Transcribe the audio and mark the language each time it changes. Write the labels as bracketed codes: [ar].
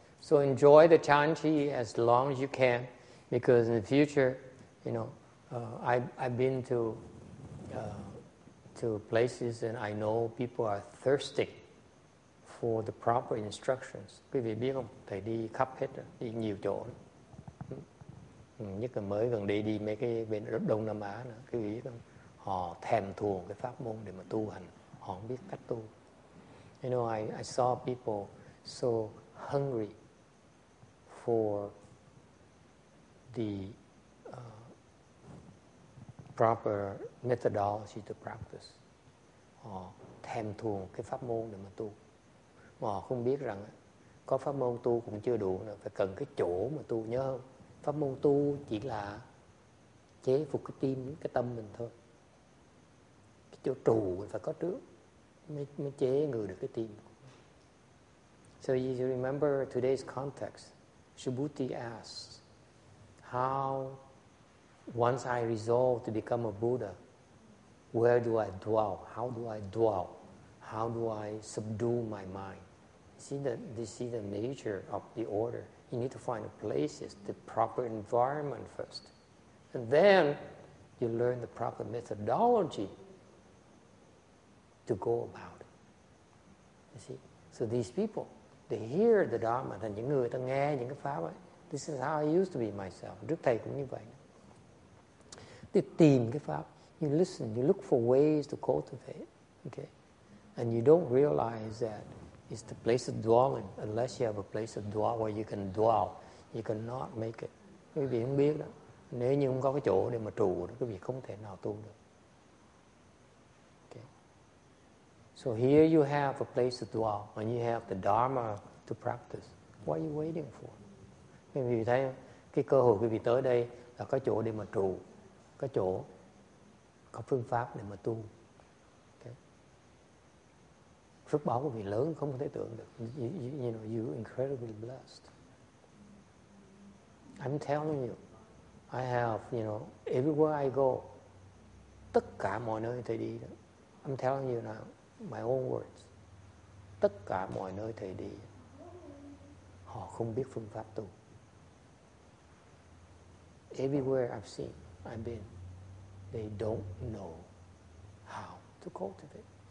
[en] So enjoy the chanti as long as you can, because in the future, you know, I've been to places and I know people are thirsty for the proper instructions. [vi] Quý vị biết không? Thầy đi khắp hết, đi nhiều chỗ. Nhất là mới gần đây đi mấy cái bên Đông Nam Á nữa, cái ý đó, họ thèm thuồng cái pháp môn để mà tu hành, họ không biết cách tu. [en] You know, I saw people so hungry for the proper methodology to practice. [vi] Họ thèm thuồng cái pháp môn để mà tu. Mà họ không biết rằng có pháp môn tu cũng chưa đủ nữa, phải cần cái chỗ mà tu, nhớ không? Pháp môn tu chỉ là chế phục cái tim, cái tâm mình thôi. Cái chỗ trụ mình phải có trước mới chế ngự được cái tim. [en] So you remember today's context. Subhuti asks, how, once I resolve to become a Buddha, where do I dwell? How do I dwell? how do I subdue my mind? See that this is the nature of the order. You need to find the places, the proper environment first. And then you learn the proper methodology to go about it. You see? So these people, they hear the Dharma, and [vi] những người ta nghe những cái pháp ấy. [en] This is how I used to be myself. [vi] Đức Thầy cũng như vậy. [en] They [vi] tìm cái pháp. [en] You listen, you look for ways to cultivate. Okay? And you don't realize that it's the place of dwelling unless you have a place of dwell where you can dwell. You cannot make it. [vi] Quý vị không biết đó. Nếu như không có cái chỗ để mà trụ, quý vị không thể nào tu được. [en] Okay? So here you have a place to dwell and you have the Dharma to practice. What are you waiting for? [vi] Quý vị thấy không? Cái cơ hội quý vị tới đây là có chỗ để mà trụ, có chỗ, có phương pháp để mà tu. Phước báo của vị lớn không thể tưởng được. [en] You know, you're incredibly blessed. I'm telling you, I have, you know, everywhere I go, [vi] tất cả mọi nơi thầy đi, [en] I'm telling you now, my own words, [vi] tất cả mọi nơi thầy đi, họ không biết phương pháp tu. [en] Everywhere I've seen, I've been, they don't know how to cultivate.